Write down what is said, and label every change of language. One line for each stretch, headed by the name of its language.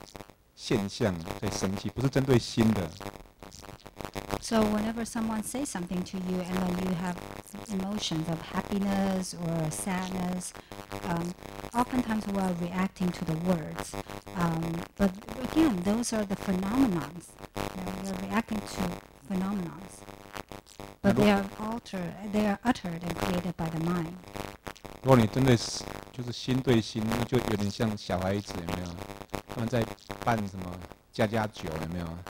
Chinese: 那我们高兴或者我们生气，一定是针对什么心所产生的什么话或产生的什么现象，一定是针对那些现象在生气，不是针对心的。
English: So whenever someone says something to you and then you have emotions of happiness or sadness, oftentimes we are reacting to the words. But again, those are the phenomenons. We are reacting to phenomenons. But they are altered, they are uttered and created by the mind.
Chinese: 如果你真的是就是心对心，那就有点像小孩子有没有？他们在扮什么家家酒有没有？